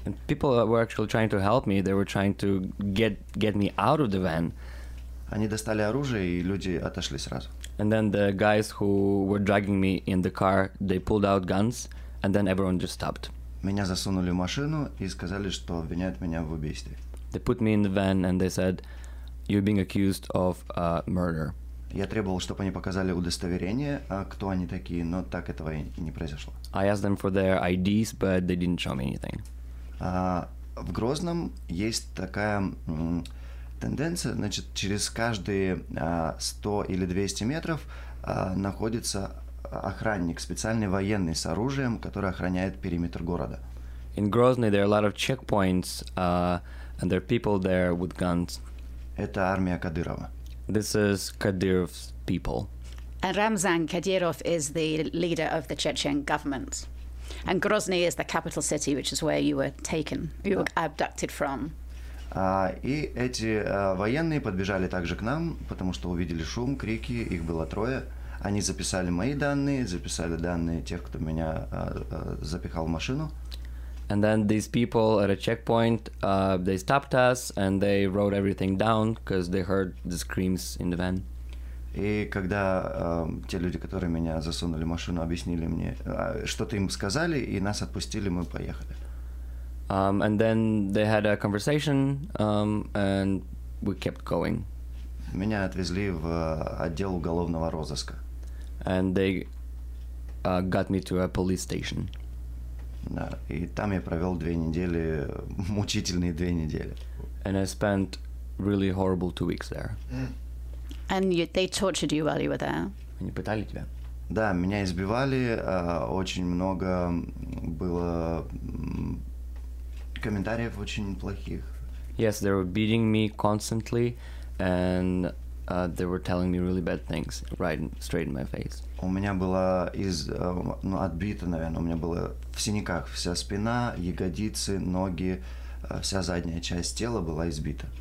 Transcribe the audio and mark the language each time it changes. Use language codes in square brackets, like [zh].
[en] And people were actually trying to help me, they were trying to get me out of the van. [ru] Они достали оружие, и люди отошли сразу. [en] And then the guys who were dragging me in the car, they pulled out guns, and then everyone just stopped. [ru] Меня засунули в машину и сказали, что обвиняют меня в убийстве. [en] They put me in the van and they said, "You're being accused of murder." [ru] Я требовал, чтобы они показали удостоверение, кто они такие, но так этого и не произошло. [en] I asked them for their IDs, but they didn't show me anything. [ru] В Грозном есть такая тенденция, значит, через каждые 100 или 200 метров находится охранник, специальный военный с оружием, который охраняет периметр города. [en] In Grozny there are a lot of checkpoints and there are people there with guns. [ru] Это армия Кадырова. [en] This is Kadyrov's people. And Ramzan Kadyrov is the leader of the Chechen government. And Grozny is the capital city, which is where you were taken, you were abducted from. [ru] И эти военные подбежали также к нам, потому что увидели шум, крики, их было трое. Они записали мои данные, записали данные тех, кто меня запихал в машину. [en] And then these people at a checkpoint, they stopped us and they wrote everything down because they heard the screams in the van. [ru] И когда те люди, которые меня засунули в машину, объяснили мне, что-то им сказали, и нас отпустили, мы поехали. [en] And then they had a conversation, and we kept going. [ru] Меня отвезли в отдел уголовного розыска. [en] And they got me to a police station. [ru] Да, и там я провел две недели, мучительные две недели. [en] And I spent really horrible 2 weeks there. And they tortured you while you were there. [ru] Они пытали тебя? Да, меня избивали, очень много было комментариев очень плохих. [en] Yes, they were beating me constantly, and they were telling me really bad things right straight in my face. [ru] У меня было отбито, наверное, у меня было в синяках вся спина, ягодицы, ноги, вся задняя часть тела была избита.